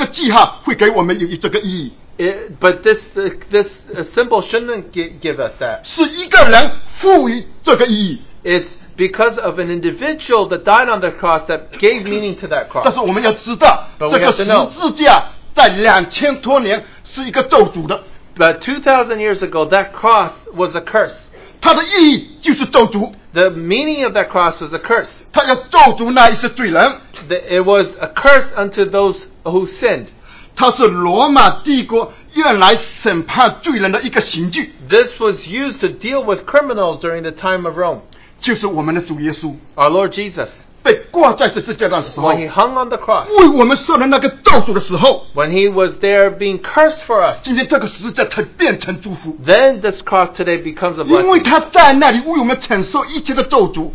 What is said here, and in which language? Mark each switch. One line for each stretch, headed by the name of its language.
Chinese: 而不是这个记号会给我们有这个意义。
English: But this symbol shouldn't give us that.
Chinese: 是一个人赋予这个意义。
English: It's because of an individual that died on the cross that gave meaning to that cross.
Chinese: 但是我们要知道,
English: but we have to know.
Chinese: 这个十字架在2000多年是一个咒诅的。
English: But 2000 years ago, that cross was a curse.
Chinese: 它的意义就是咒诅。
English: The meaning of that cross was a curse.
Chinese: 它要咒诅那一些罪人。
English: It was a curse unto those who sinned.
Chinese: 它是罗马帝国用来审判罪人的一个刑具。
English: This was used to deal with criminals during the time of Rome.
Chinese: 就是我们的主耶稣。
English: Our Lord Jesus.
Chinese: 被挂在十字架上的时候。
English: When he hung on the cross.
Chinese: 为我们受了那个咒诅的时候。
English: When he was there being cursed for us.
Chinese: 今天这个十字架才变成祝福。
English: Then this cross today becomes a blessing.
Chinese: 因为他在那里为我们承受一切的咒诅。